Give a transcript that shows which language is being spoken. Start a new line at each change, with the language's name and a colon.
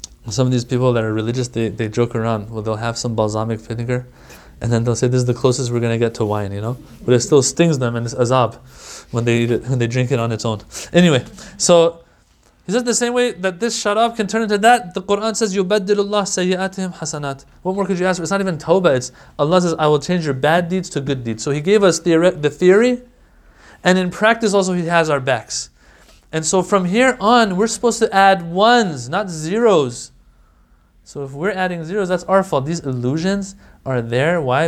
English: Some of these people that are religious, they joke around. Well, they'll have some balsamic vinegar, and then they'll say, this is the closest we're going to get to wine, you know? But it still stings them, and it's azab when they eat it, when they drink it on its own. Anyway, so He says the same way that this sharab can turn into that. The Quran says,
Arabic: يُبَدِّلُ اللَّهُ سَيِّئَاتِهِمْ حَسَنَاتِ.
English: What more could you ask for? It's not even tawbah. It's Allah says, I will change your bad deeds to good deeds. So He gave us the theory. And in practice also, He has our backs. And so from here on, we're supposed to add ones, not zeros. So if we're adding zeros, that's our fault. These illusions are there. Why?